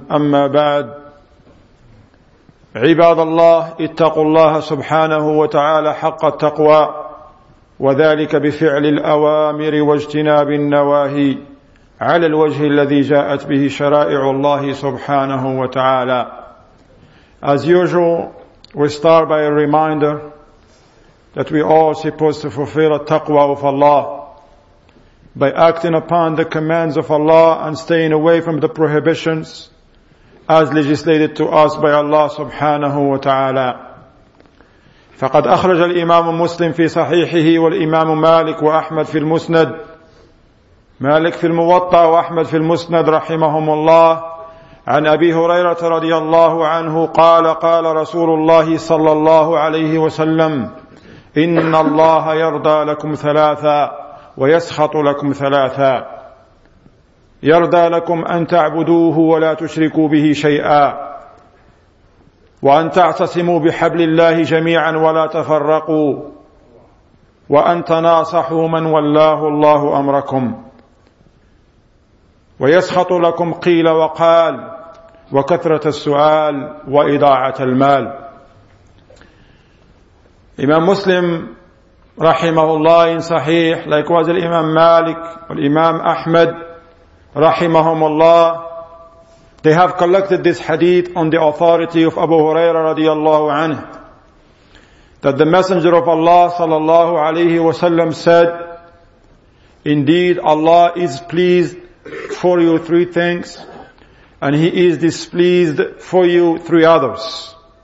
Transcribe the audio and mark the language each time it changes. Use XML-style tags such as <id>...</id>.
<ar>أما بعد، عباد الله، اتقوا الله سبحانه وتعالى حق التقوى، وذلك بفعل الأوامر واجتناب النواهي على الوجه الذي جاءت به شرائع الله سبحانه وتعالى.</ar> <en>As usual, we start by a reminder that we all supposed to fulfill a taqwa of Allah by acting upon the commands of Allah and staying away from the prohibitions as legislated to us by Allah subhanahu wa ta'ala.</en> <ar>فَقَدْ أَخْرَجَ الْإِمَامُ مُسْلِمُ فِي صَحِيحِهِ وَالْإِمَامُ مَالِكُ وَأَحْمَدُ فِي الْمُسْنَدِ مالك في الموطا وأحمد في المسند رحمهم الله عن أبي هريرة رضي الله عنه قال قال رسول الله صلى الله عليه وسلم إن الله يرضى لكم ثلاثا ويسخط لكم ثلاثا يرضى لكم أن تعبدوه ولا تشركوا به شيئا وأن تعتصموا بحبل الله جميعا ولا تفرقوا وأن تناصحوا من ولاه الله أمركم ويسخط لكم قيل وقال وكثرة السؤال وإضاعة المال.</ar> <en>Imam Muslim rahimahullah in Sahih, likewise Imam Malik and Imam Ahmad rahimahumullah, they have collected this hadith on the authority of Abu Hurairah radiyallahu anhu, that the Messenger of Allah sallallahu alayhi wa sallam said, indeed Allah is pleased for you three things, and He is displeased for you three others.</en>